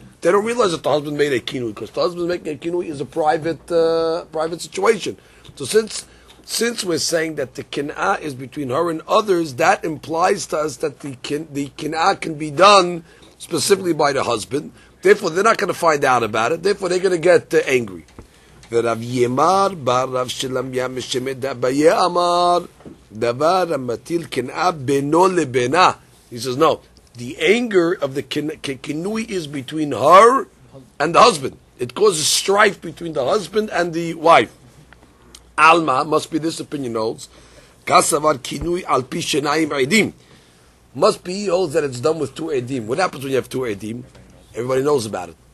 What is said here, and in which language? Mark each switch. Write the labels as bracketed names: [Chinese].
[English] They don't realize that the husband made a kinui, because the husband making a kinui is a private situation. So since we're saying that the kin'a is between her and others, that implies to us that the kin'a can be done specifically by the husband. Therefore, they're not going to find out about it. Therefore, they're going to get angry. [Hebrew] ורב ימר בר רב שלמיה משמד אביה אמר דבר המטיל קנאה בינו לבינה. [English] He says, no, the anger of the kinui is between her and the husband. It causes strife between the husband and the wife. Alma, must be this opinion holds, כסבר kinui על פי שניים עדים. Must be, he holds that it's done with two עדים. What happens when you have two עדים? Everybody knows about it.